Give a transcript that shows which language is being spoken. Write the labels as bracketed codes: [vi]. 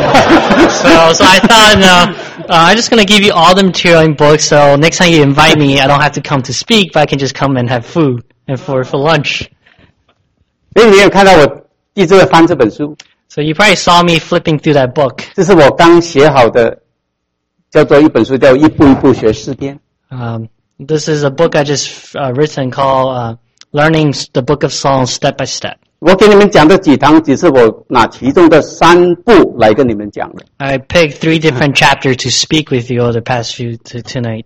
[en] So I thought, I'm just going to give you all the material in books, so next time you invite me, I don't have to come to speak, but I can just come and have food and for lunch. So you probably saw me flipping through that book. [zh] 这是我刚写好的，叫做一本书，叫《一步一步学诗篇》。 [en] This is a book I just written called Learning the Book of Songs Step by Step. [zh] 我给你们讲的几堂，只是我拿其中的三部来跟你们讲的。 [en] I picked three different chapters to speak with you over the past few tonight.